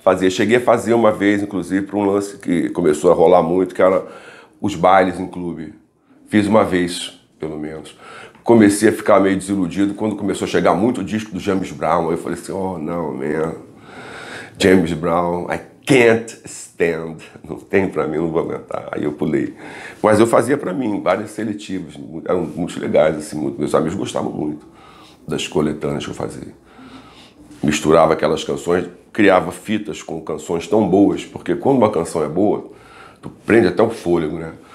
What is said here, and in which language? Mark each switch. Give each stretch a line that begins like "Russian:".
Portuguese: Cheguei a fazer uma vez, inclusive, para um lance que começou a rolar muito, que era os bailes em clube. Fiz uma vez, pelo menos. Comecei a ficar meio desiludido quando começou a chegar muito o disco do James Brown. Aí eu falei assim, oh, não, man.
English: James Brown, I can't stand.
Portuguese: Não tem para mim, não vou aguentar. Aí eu pulei. Mas eu fazia para mim, vários seletivos. Eram muito legais, assim, muito. Meus amigos gostavam muito. das coletâneas que eu fazia. Misturava aquelas canções, criava fitas com canções tão boas, porque quando uma canção é boa, tu prende até o fôlego, né?